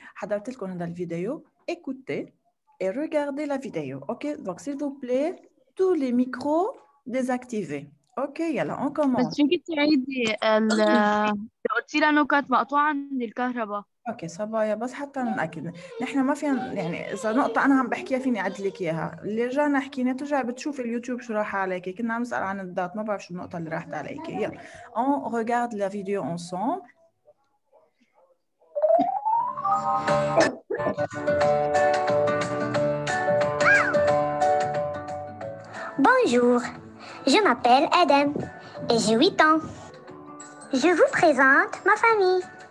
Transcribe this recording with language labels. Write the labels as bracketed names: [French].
[French] Hadartel qu'on a dans la vidéo, écoutez et regardez la vidéo. Ok, donc s'il vous plaît, tous les micros désactivés. OK [Arabic] يلا [French] on commence. [Arabic] بس فيكي تعيدي ال قلتي لنا نقطة مقطوعة عند الكهرباء. OK صبايا بس حتى نأكد نحن ما فينا يعني إذا نقطة أنا عم بحكيها فيني أعدلك إياها. اللي رجعنا حكينا ترجع بتشوف اليوتيوب شو راح عليكي. كنا عم نسأل عن الدات ما بعرف شو النقطة اللي راحت عليك. يلا [French] on regarde la vidéo ensemble. Bonjour. Je m'appelle Eden et j'ai 8 ans. Je vous présente ma famille.